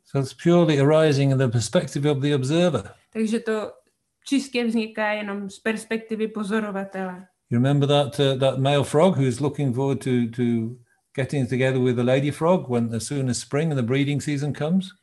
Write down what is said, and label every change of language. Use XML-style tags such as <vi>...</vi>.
<en>So it's purely arising in the perspective of the observer.</en> <cs>Takže to čistě vzniká jenom z perspektivy pozorovatele.</cs> <en>You remember that that male frog who's looking forward to getting together with the lady frog when as soon as spring and the breeding season comes?</en>